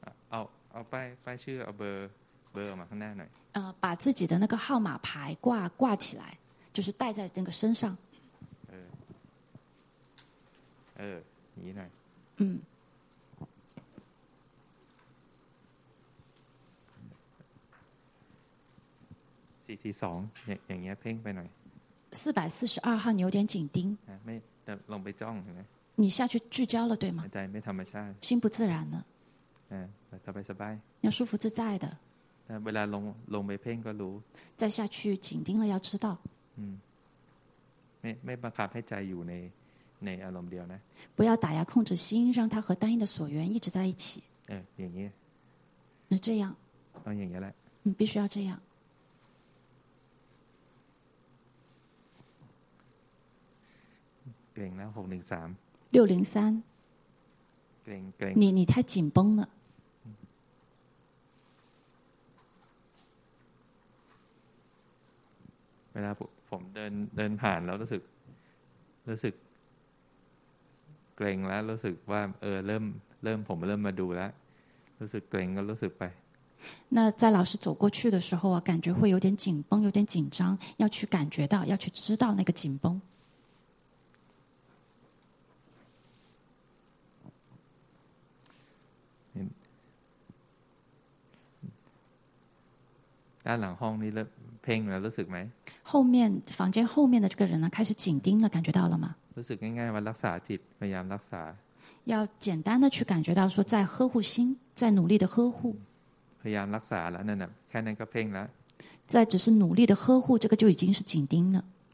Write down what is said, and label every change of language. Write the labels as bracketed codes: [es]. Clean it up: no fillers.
[th] เอาป้ายชื่อเอาเบอร์มาข้างหน้าหน่อย [zh] 把自己的那个号码牌挂起来就是戴在那个身上 [th] นี่หน่อยสี่สี่สองอย่างเงี้ยเพ่งไปหน่อย [zh] 442号你有点紧盯 [th] ไม่ลงไปจ้องเห็นไหม [zh] 你下去聚焦了对吗 [th] ใจไม่ธรรมชาติ [zh] 心不自然了 [th] สบายสบาย [zh] 要舒服自在的 [th] เวลาลงไปเพ่งก็รู้ [zh] 再下去紧盯了要知道 [th] ไม่บังคับให้ใจอยู่ในอารมณ์เดียวนะ [zh] 不要打压控制心让它和单一的所缘一直在一起 [th] อย่างนี้ [zh] 那这样 [th] ต้องอย่างนี้แหละ [zh] 必须要这样 [th] เกรงแล้ว613 603 เกรง [zh] 你太紧绷了 [th] เวลาผมเดินผ่านแล้วรู้สึกเกรงแล้วรู้สึกว่าเริ่มผมเริ่มมาดูแล้วรู้สึกเกรงก็รู้สึกไป [zh] 那在老师走过去的时候啊感觉会有点紧绷有点紧张要去感觉到要去知道那个紧绷 [th] ด้านหลังห้องนี้เพ่งแล้วรู้สึกไหม [zh] 后面房间后面的这个人呢开始紧盯了感觉到了吗 [th] รู้สึกง่ายๆว่ารักษาจิตพยายามรักษา [zh] 要简单的去感觉到说在呵护心在努力的呵护 [th] พยายามรักษาแล้วนั่นแค่นั้นก็เพ่งแล้ว [zh] 在只是努力的呵护这个就已经是紧盯了